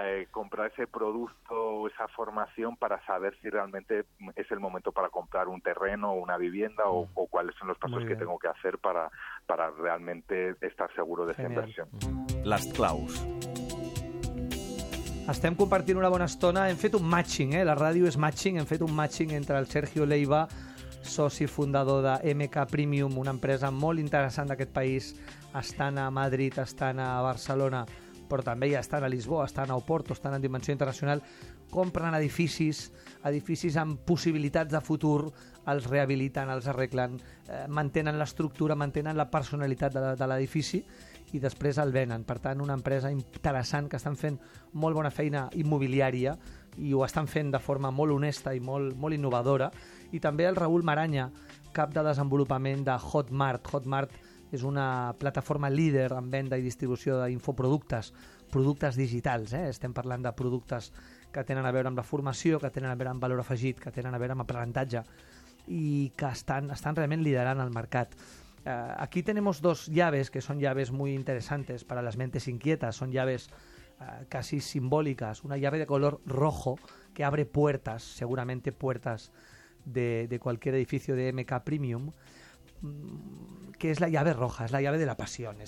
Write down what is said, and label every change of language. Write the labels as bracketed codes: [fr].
[es] Comprar ese producto o esa formación para saber si realmente es el momento para comprar un terreno o una vivienda o cuáles son los pasos que tengo que hacer para realmente estar seguro de esa inversión. [ca] Las claus. Estem compartint una bona estona. Hem fet un matching, la ràdio és matching. Hem fet un matching entre el Sergio Leiva, soci fundador de MK Premium, una empresa molt interessant d'aquest país. Estan a Madrid, estan a Barcelona, però també ja estan a Lisboa, estan a Oporto, estan en dimensió internacional. Compren edificis, edificis amb possibilitats de futur, els rehabiliten, els arreglen, mantenen l'estructura, mantenen la personalitat de l'edifici i després el venen. Per tant, una empresa interessant que estan fent molt bona feina immobiliària i ho estan fent de forma molt honesta i molt, molt innovadora. I també el Raül Maranya, cap de desenvolupament de Hotmart. Hotmart és una plataforma líder en venda i distribució d'infoproductes, productes digitals, eh? Estem parlant de productes que tenen a veure amb la formació, que tenen a veure amb valor afegit, que tenen a veure amb aprenentatge i que estan realment liderant el mercat. [es] Aquí tenemos dos llaves que son llaves muy interesantes para las mentes inquietas, son llaves casi simbólicas, una llave de color rojo que abre puertas, seguramente puertas de cualquier edificio de MK Premium, que es la llave roja, es la llave de la pasión.